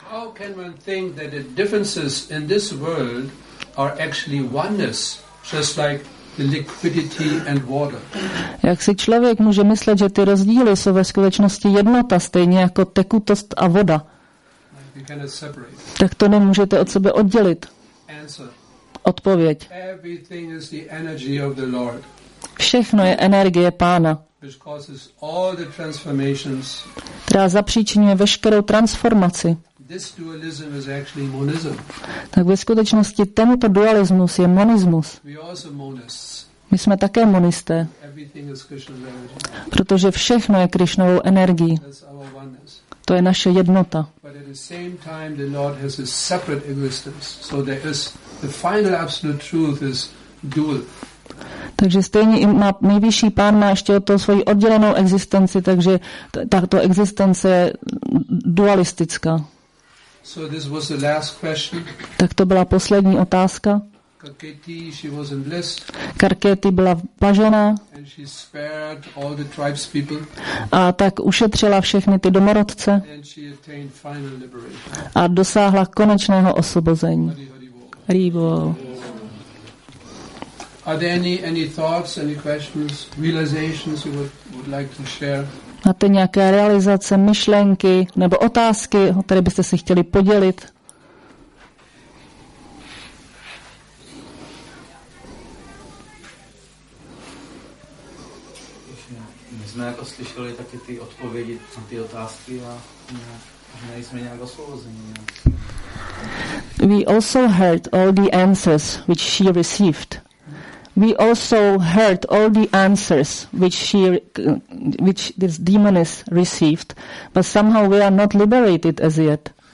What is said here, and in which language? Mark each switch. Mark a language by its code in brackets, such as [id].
[en] How can one think that the differences in this world are actually oneness, just like the liquidity and water? [cs] Jak si člověk může myslet, že ty rozdíly jsou ve skutečnosti jednota, stejně jako tekutost a voda? [en] You cannot separate. [cs] Tak to nemůžete od sebe oddělit. [en] Answer. [cs] Odpověď. [en] Everything is the energy of the Lord. [cs] Všechno je energie pána, [en] which causes all the transformations, [cs] která zapříčinuje veškerou transformaci. [en] This dualism is actually monism. [cs] Tak ve skutečnosti tento dualismus je monismus. [en] We are also monists. [cs] My jsme také monisté, [en] everything is Krishna's energy. [cs] Protože všechno je Krishnovou energií. [en] That's our oneness. [cs] To je naše jednota. [en] But at the same time, the Lord has a separate existence. So there is the final absolute truth is dual. [cs] Takže stejně i má nejvyšší pán má ještě o to svoji oddělenou existenci, takže tato existence je dualistická. [en] So this was the last question. [cs] Tak to byla poslední otázka. [en] Karketi, she was in bliss. [cs] Karketi byla blažená. [en] And she spared all the tribes people. [cs] A tak ušetřila všechny ty domorodce. [en] And she attained final liberation. [cs] A dosáhla konečného osvobození. Hari, hari, bol. Hari, [en] bol. Are there any thoughts, any questions, realizations you would like to share? [cs] Máte nějaké realizace, myšlenky nebo otázky, o které byste si chtěli podělit? My jsme jako slyšeli taky ty odpovědi na ty otázky a nejsme nějak osvobození. [en] We also heard all the answers which she received. We also heard all the answers which this demoness received, but somehow we are not liberated as yet.